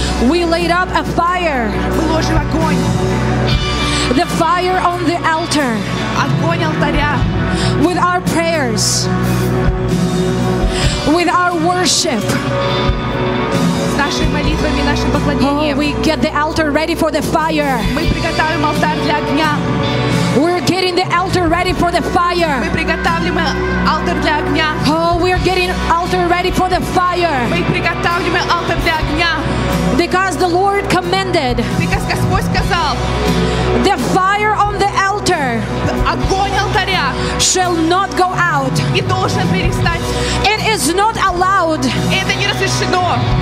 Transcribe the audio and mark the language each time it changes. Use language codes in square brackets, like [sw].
[en] We laid up a fire. [ru] Мы ложим огонь. [en] The fire on the altar. [ru] Огонь алтаря. [en] With our prayers. With our worship. [ru] С нашими молитвами, нашим поклонением. [en] Oh, we get the altar ready for the fire. [ru] Мы приготовим алтарь для огня. [en] We're getting the altar ready for the fire. [ru] Мы приготовим алтарь для огня. [en] Oh, we're getting altar ready for the fire. [ru] Мы приготовим алтарь для огня. [en] Because the Lord commanded. Because [ru] Господь сказал. [en] The fire on the altar. [ru] Огонь алтаря. [en] Shall not go out. [ru] И должен перестать. [en] It is not allowed. [ru] Это не разрешено.